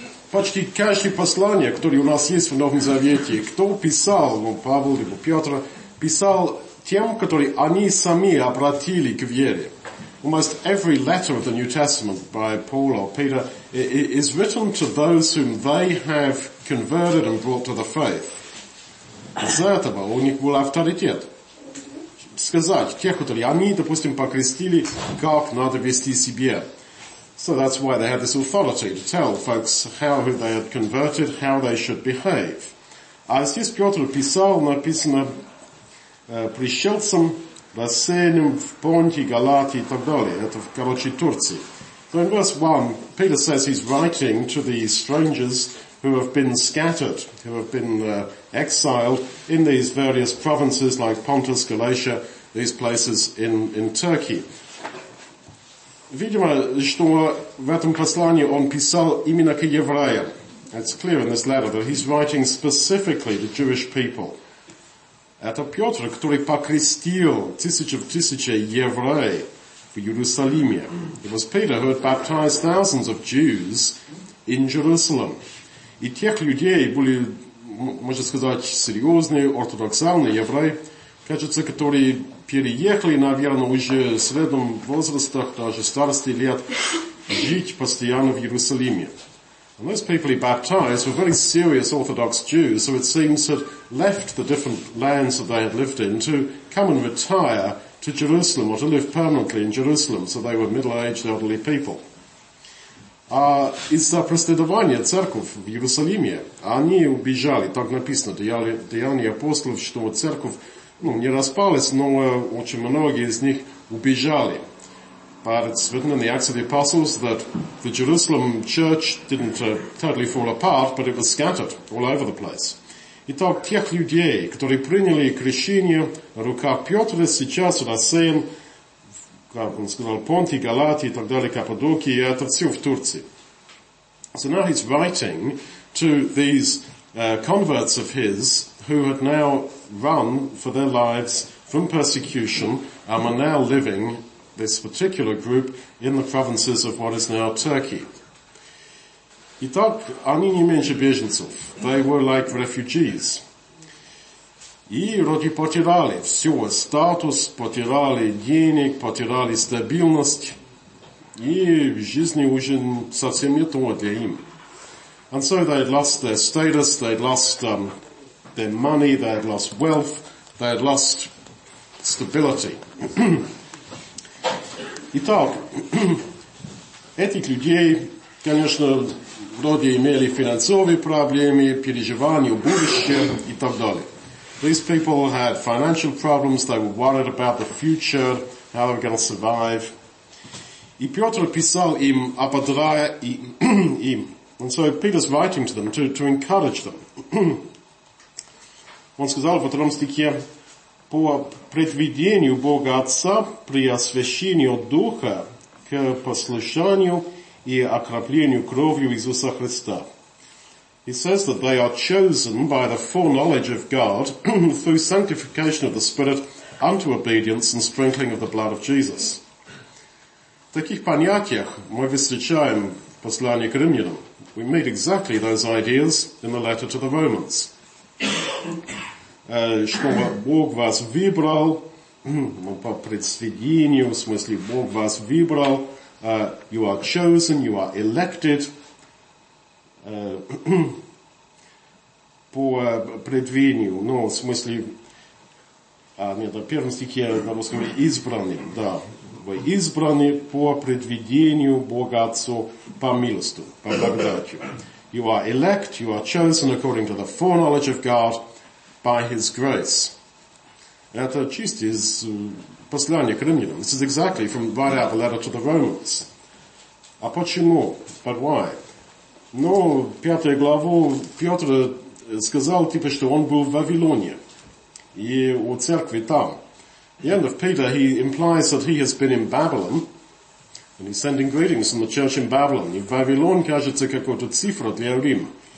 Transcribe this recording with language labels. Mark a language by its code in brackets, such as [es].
[ru] Почти каждое послание, которое у нас есть в Новом Завете, кто писал, ну, Павел или Петр, писал тем, которые они сами обратили к вере. [en] Almost every letter of the New Testament by Paul or Peter is written to those whom they have converted and brought to the faith. [ru] Из-за этого у них был авторитет. Сказать тех, которые они, допустим, покрестили, как надо вести себя. [en] So that's why they had this authority to tell folks how who they had converted, how they should behave. [ru] А здесь Петр писал, написано, пришельцам, рассеянным в Понте, Галатии и так далее. Это, короче, Турции. [en] So in verse 1, Peter says he's writing to these strangers who have been scattered, who have been exiled in these various provinces like Pontus, Galatia, these places in Turkey. [ru] Видимо, что в этом послании он писал именно к евреям. [en] It's clear in this letter that he's writing specifically to Jewish people. [ru] Это Петр, который покрестил тысячи евреев в Иерусалиме. [en] It was Peter who had baptized thousands of Jews in Jerusalem. [ru] И тех людей были, можно сказать, серьезные, ортодоксальные евреи, кажется, которые переехали, наверное, уже в среднем возрасте, даже старости лет, жить постоянно в Иерусалиме. [en] And those people he baptized were very serious Orthodox Jews, so it seems had left the different lands that they had lived in to come and retire to Jerusalem, or to live permanently in Jerusalem, so they were middle-aged, elderly people. [ru] А из-за преследования церковь в Иерусалиме они убежали, так написано, Деяния апостолов, что церковь ну, не распалась, но очень многие из них убежали. [en] But it's written in the Acts of the Apostles that the Jerusalem church didn't totally fall apart, but it was scattered all over the place. [ru] Итак, тех людей, которые приняли крещение на руках Петра, сейчас рассеян, как он сказал, Понти, Галатии и так далее, Каппадокии, это все в Турции. [en] So now he's writing to these converts of his who had now run for their lives from persecution and are now living this particular group in the provinces of what is now Turkey. [ru] Итак, они не меньше беженцев. [en] They were like refugees. [ru] И вроде потеряли все, статус, потеряли денег, потеряли стабильность. И в жизни уже совсем не то для им. [en] And so they had lost their status, they had lost their money, they had lost wealth, they had lost stability. [ru] Итак, этих людей, конечно, вроде имели финансовые проблемы, переживания, будущее и так далее. [en] These people had financial problems, they were worried about the future, how they were going to survive. [ru] И Петр писал им, ободряя им. [en] And so Peter's writing to them to encourage them. [ru] Он сказал в этом стихе, по предвидению Бога Отца, при освящении Духа к послушанию и окроплению кровью Иисуса Христа. [en] He says that they are chosen by the foreknowledge of God through sanctification of the Spirit unto obedience and sprinkling of the blood of Jesus. [ru] В таких понятиях мы встречаем послание к римлянам. [en] We meet exactly those ideas in the letter to the Romans. [ru] Что Бог вас выбрал, по предсведению, в смысле, Бог вас выбрал, [en] you are chosen, you are elected, [ru] по предвидению, но в смысле, нет, в первом стихе на русском избранный, да, вы избраны по предвидению Бога Отцу по милости, по благодати. [en] You are elect, you are chosen according to the foreknowledge of God, by His grace. [ru] Это чисто из послания к римлянам. [en] This is exactly from right out the letter to the Romans. [ru] А почему? [en] But why? [ru] Ну, пятую главу Петр сказал, типа, что он был в Вавилоне. И у церкви там. [en] The end of Peter, he implies that he has been in Babylon. And he's sending greetings from the church in Babylon. [ru] И Вавилон кажется какой-то цифра для Рим.